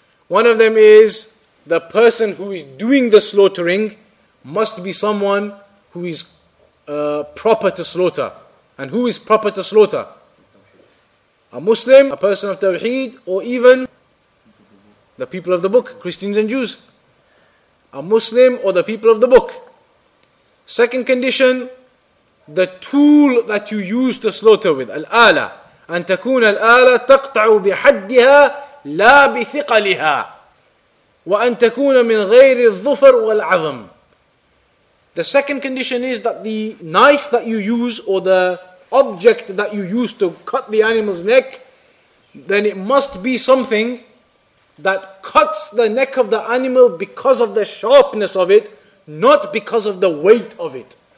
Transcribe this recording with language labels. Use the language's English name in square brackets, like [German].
[English] One of them is the person who is doing the slaughtering must be someone who is proper to slaughter. And who is proper to slaughter? A Muslim, a person of Tawheed, or even the people of the book, Christians and Jews. A Muslim or the people of the book. Second condition, the tool that you use to slaughter with, al-ala, [Arabic] أن تكون الآلة تقطع بحدها لا بثقلها وأن تكون من غير الظفر والعظم. [English] The second condition is that the knife that you use or the object that you use to cut the animal's neck, then it must be something that cuts the neck of the animal because of the sharpness of it, not because of the weight of it.